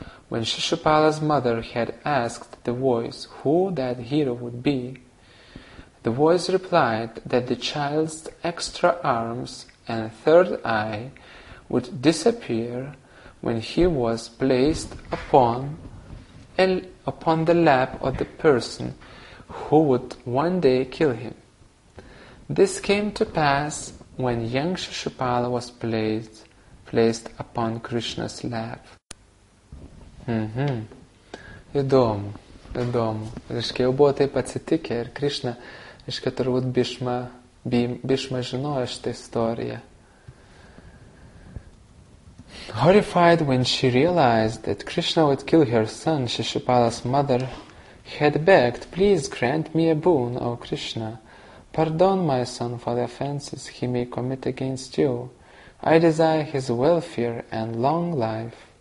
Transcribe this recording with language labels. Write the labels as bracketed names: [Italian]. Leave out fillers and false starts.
[English] When Shishupala's mother had asked the voice who that hero would be, the voice replied that the child's extra arms and third eye would disappear when he was placed upon the lap of the person who would one day kill him. This came to pass when young Shishupala was placed upon Krishna's lap. [Lithuanian] Įdomu, įdomu. Reiškia, jau buvo taip atsitikę ir Krishna, reiškia, turbūt Bhishma žinojo šitą istoriją. [English] Horrified when she realized that Krishna would kill her son, Shishupala's mother had begged, please grant me a boon, O Krishna. Pardon my son for the offenses he may commit against you. I desire his welfare and long life.